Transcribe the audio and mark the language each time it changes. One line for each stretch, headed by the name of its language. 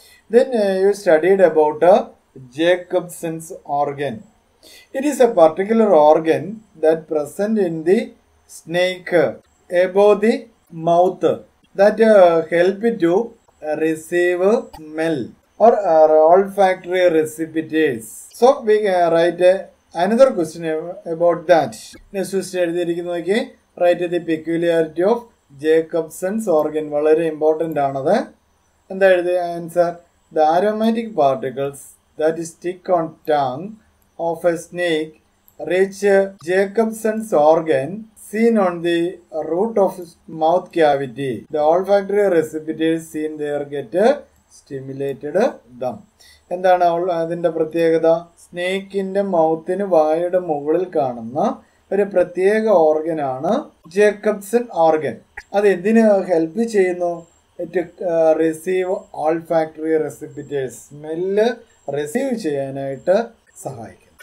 English: Then you studied about Jacobson's organ. It is a particular organ that present in the snake above the mouth that help to receive smell or olfactory receptors. So we write another question about that. Next question
Malayalam: എഴുതിയിരിക്കുന്നു,
English: write the peculiarity of Jacobson's organ.
Malayalam: വളരെ important ആണത്. എന്താ എഴുതിയ answer?
English: The aromatic particles that stick on tongue of a snake reach Jacobson's organ seen on the root of mouth cavity. The olfactory receptors seen there get stimulated them.
Malayalam: എന്താണ് അതിൻ്റെ പ്രത്യേകത? സ്നേക്കിൻ്റെ മൗത്തിന് വായയുടെ മുകളിൽ കാണുന്ന ഒരു പ്രത്യേക ഓർഗനാണ് ജേക്കബ്സൺ ഓർഗൻ. അത് എന്തിന് help ചെയ്യുന്നു?
English: it receive olfactory receptors,
Malayalam: smell receive ചെയ്യാനായിട്ട് സഹായിക്കും.